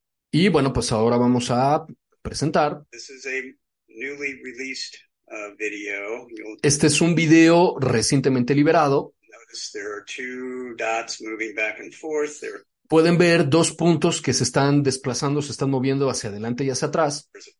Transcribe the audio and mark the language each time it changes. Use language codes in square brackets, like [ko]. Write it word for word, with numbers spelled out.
[es] Y bueno, pues ahora vamos a presentar. [en] This is a newly released, uh, video. [es] Este es un video recientemente liberado. [en] Notice there are two dots moving back and forth. [es] There Pueden ver dos puntos que se están desplazando, se están moviendo hacia adelante y hacia atrás.